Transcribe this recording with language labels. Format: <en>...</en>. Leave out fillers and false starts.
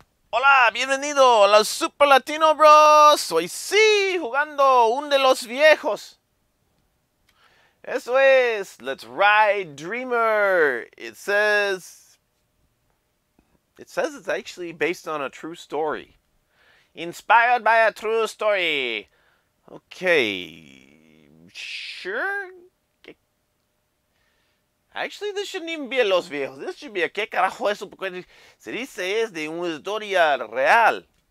<es>Hola, bienvenido a los Super Latino Bros. Hoy sí, jugando un de los viejos. Eso es,</es> <en>let's ride Dreamer. It says it's actually based on a true story. Inspired by a true story. Okay, sure. Actually, this shouldn't even be a Los Viejos. This should be a</en> <es>qué carajo eso, porque se dice es de una historia real.</es>